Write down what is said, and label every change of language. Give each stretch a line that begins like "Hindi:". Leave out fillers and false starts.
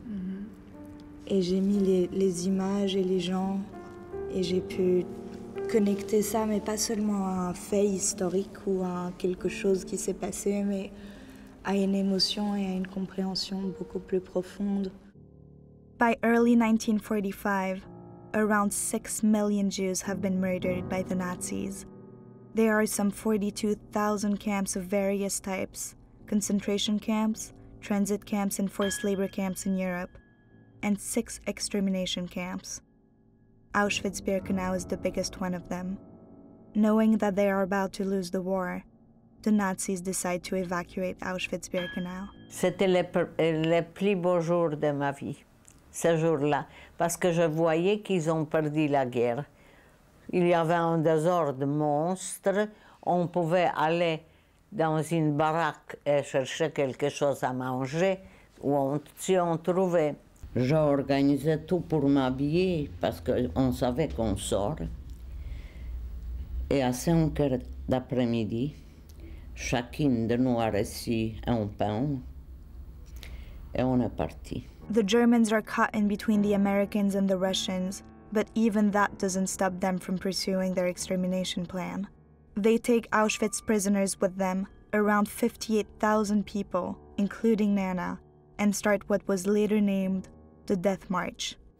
French: Mm-hmm. Et j'ai mis les images et les gens, et j'ai pu connecter ça, mais pas seulement à un fait historique ou à quelque chose qui s'est passé, mais à une émotion et à une compréhension beaucoup plus profonde.
English: By early 1945, around 6 million Jews have been murdered by the Nazis. There are some 42,000 camps of various types, concentration camps, transit camps and forced labor camps in Europe, and 6 extermination camps. Auschwitz-Birkenau is the biggest one of them. Knowing that they are about to lose the war, the Nazis decide to evacuate Auschwitz-Birkenau.
French: C'était le plus beau jour de ma vie, ce jour-là, parce que je voyais qu'ils ont perdu la guerre. Il y avait un désordre monstre. On pouvait aller dans une baraque et chercher quelque chose à manger, ou si on trouvait. J'organisais tout pour m'habiller, parce qu'on savait qu'on sort. Et à 5 heures d'après-midi, chacune de nous a reçu un pain, et on est parti.
English: The Germans are caught in between the Americans and the Russians, but even that doesn't stop them from pursuing their extermination plan. They take Auschwitz prisoners with them, around 58,000 people, including Nana, and start what was later named the Death March.